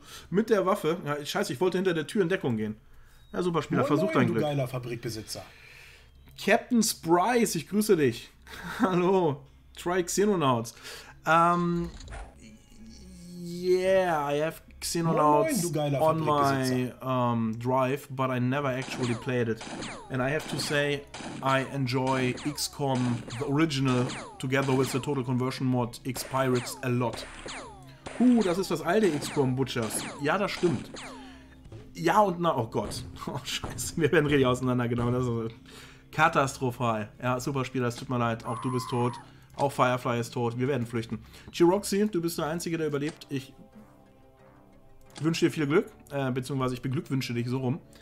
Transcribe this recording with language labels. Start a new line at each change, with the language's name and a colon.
German: Mit der Waffe. Ja, scheiße, ich wollte hinter der Tür in Deckung gehen. Ja, Superspieler, versuch dein Glück. Du geiler Fabrikbesitzer. Captain Spryce, ich grüße dich. Hallo, try Xenonauts.
English: Yeah, I have Xenonauts on my drive, but I never actually played it. And I have to say, I enjoy XCOM, the original, together with the Total Conversion Mod X-Pirates a lot.
German: Das ist das alte XCOM Butchers. Ja, das stimmt. Ja und na, oh Gott. Oh Scheiße, wir werden richtig auseinandergenommen. Das ist katastrophal. Ja, Superspieler, es tut mir leid. Auch du bist tot. Auch Firefly ist tot. Wir werden flüchten. G-Roxy, du bist der Einzige, der überlebt. Ich wünsche dir viel Glück, beziehungsweise ich beglückwünsche dich so rum.